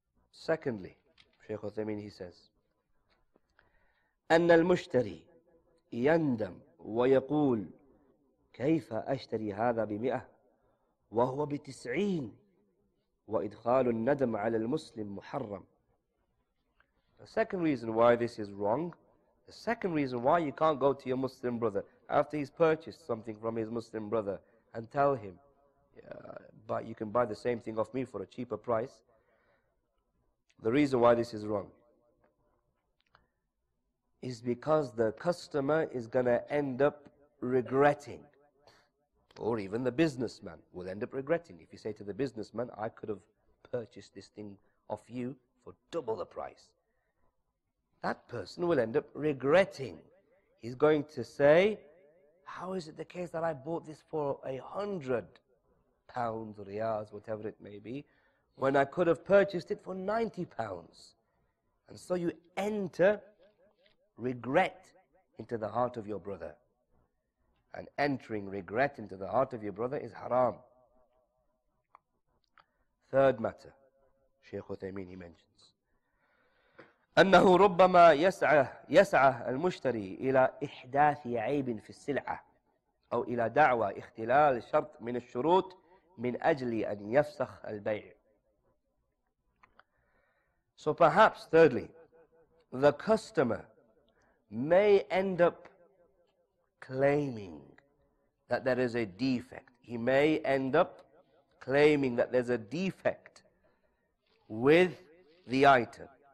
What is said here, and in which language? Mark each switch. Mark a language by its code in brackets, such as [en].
[en] Secondly, Shaykh Uthaymeen, he says, [ar] أن المشتري يندم ويقول كيف أشتري هذا بمئة وهو بتسعين وإدخال الندم على المسلم محرم. [en] The second reason why this is wrong, the second reason why you can't go to your Muslim brother after he's purchased something from his Muslim brother and tell him, but you can buy the same thing off me for a cheaper price. The reason why this is wrong is because the customer is going to end up regretting, or even the businessman will end up regretting. If you say to the businessman, I could have purchased this thing off you for double the price, that person will end up regretting. He's going to say, how is it the case that I bought this for £100 or riyals, whatever it may be, when I could have purchased it for £90? And so you enter regret into the heart of your brother. And entering regret into the heart of your brother is haram. Third matter, Shaykh Uthaymeen, he mentions, [ar] أنه ربما يسعى المشتري إلى إحداث عيب في السلعة أو إلى دعوة اختلال شرط من الشروط من أجل أن يفسخ البيع. [en] So perhaps, thirdly, the customer may end up claiming that there is a defect. He may end up claiming that there's a defect with the item.